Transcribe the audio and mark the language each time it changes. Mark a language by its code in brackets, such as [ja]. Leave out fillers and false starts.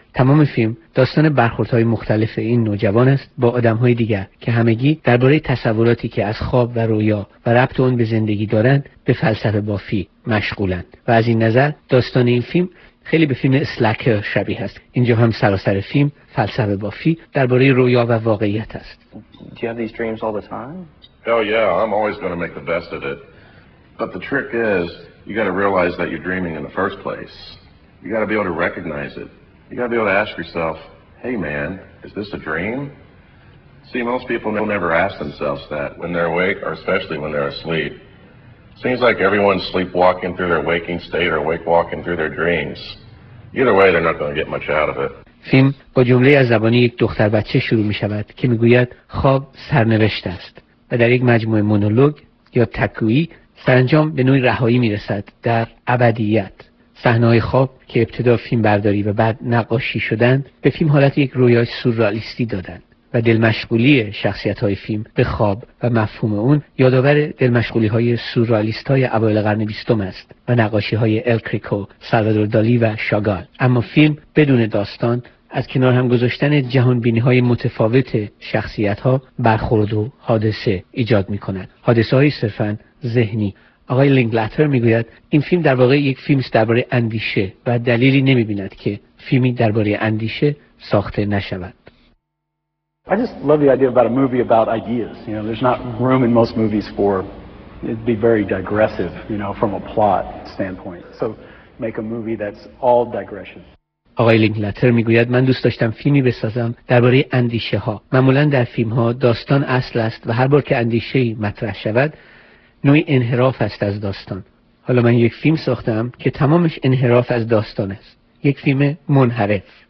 [fa] تمام فیلم داستان برخوردهای مختلف این نوجوان است با آدمهای دیگر که همگی درباره تصوراتی که از خواب و رویا و ربط اون به زندگی دارند به فلسفه بافی مشغولند و از این نظر داستان این فیلم خیلی به فیلم سلکر شبیه است. اینجا هم سراسر فیلم فلسفه بافی درباره رویا و واقعیت است. [en] Do you have these dreams all the time? Oh yeah, I'm always going to make the best of it. But the trick is you got to realize that you're dreaming in the first place. You got to be able to recognize it. You gotta be able to ask yourself, hey man, is this a dream? See, most people never ask themselves that when they're awake, or especially when they're asleep. Seems like everyone's sleepwalking through their waking state or wakewalking through their dreams. Either way, they're not going to get much out of it. [fa] فیلم با جمله از زبانی یک دختر بچه شروع می شود که می گوید خواب سرنوشت است و در یک مجموعه مونولوگ یا تکویی سرانجام به نوعی رهایی می رسد در ابدیت. صحنه‌های خواب که ابتدا فیلم برداری و بعد نقاشی شدند به فیلم حالت یک رویای سورئالیستی دادند و دلمشغولی شخصیت‌های فیلم به خواب و مفهوم اون یادآور دلمشغولی‌های سورئالیست‌های اوایل قرن 20 است و نقاشی‌های الکریکو، سالوادور دالی و شاگال. اما فیلم بدون داستان از کنار هم گذاشتن جهان‌بینی‌های متفاوت شخصیت‌ها برخورد و حادثه ایجاد می‌کند. حادثه‌ای صرفاً ذهنی. آقای لینکلاتر میگوید این فیلم در واقع یک فیلم است درباره اندیشه و دلیلی نمیبیند که فیلمی درباره اندیشه ساخته نشود. [en] I just love the idea about a movie about ideas. You know, there's not room in most movies for it'd be very digressive, you know, from a plot standpoint. So make a movie that's all digression. [fa] آقای لینکلاتر میگوید من دوست داشتم فیلمی بسازم درباره اندیشه ها. معمولا در فیلم ها داستان اصل است و هر بار که اندیشه مطرح شود نوعی انحراف است از داستان. حالا من یک فیلم ساختم که تمامش انحراف از داستان است. یک فیلم منحرف.